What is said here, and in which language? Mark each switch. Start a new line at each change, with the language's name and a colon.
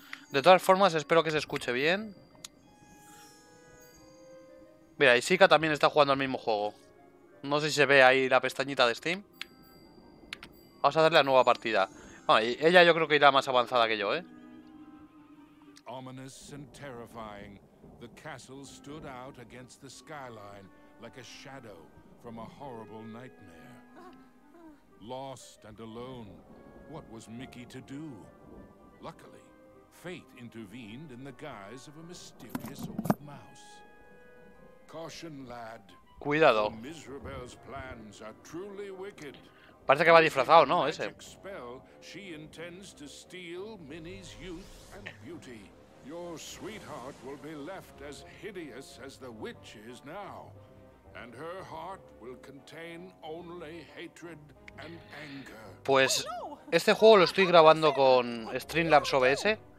Spanish: De todas formas, espero que se escuche bien. Mira, Ishika también está jugando al mismo juego. No sé si se ve ahí la pestañita de Steam. Vamos a darle a nueva partida. Bueno, ella yo creo que irá más avanzada que yo, ¿eh?
English: Ominous and terrifying, the castle stood out against the skyline like a shadow from a horrible nightmare. Lost and alone, what was Mickey to do? Luckily, fate intervened in the guise of a mysterious old mouse. Caution, lad.
Spanish: Cuidado.
English: Mizrabel's plans are truly wicked.
Spanish: Parece que va disfrazado, ¿no? Ese.
English: Spell, she intends to steal Minnie's youth and beauty. Your sweetheart will be left as hideous as the witch is now, and her heart will contain only hatred and anger.
Spanish: Pues este juego lo estoy grabando con Streamlabs OBS.